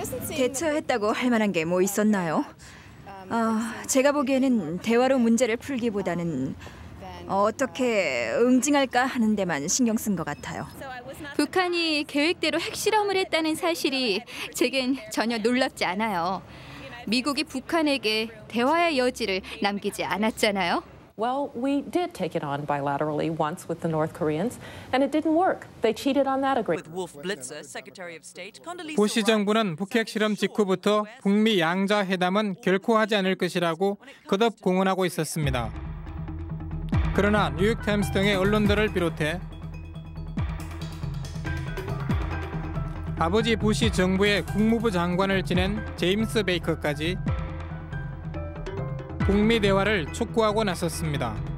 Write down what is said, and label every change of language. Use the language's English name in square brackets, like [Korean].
[Korean] 대처했다고 할 만한 게 뭐 있었나요? 제가 보기에는 대화로 문제를 풀기보다는 어떻게 응징할까 하는 데만 신경 쓴 것 같아요. 북한이 계획대로 핵실험을 했다는 사실이 제겐 전혀 놀랍지 않아요. 미국이 북한에게 대화의 여지를 남기지 않았잖아요. [English] Well, we did take it on bilaterally once with the North Koreans, and it didn't work. They cheated on that agreement. Wolf Blitzer, Secretary of State, Condoleezza Rice. [Korean] 부시 정부는 북핵 실험 직후부터 북미 양자 회담은 결코 하지 않을 것이라고 거듭 공언하고 있었습니다. 그러나 뉴욕 타임스 등의 언론들을 비롯해 아버지 부시 정부의 국무부 장관을 지낸 제임스 베이커까지 북미 대화를 촉구하고 나섰습니다.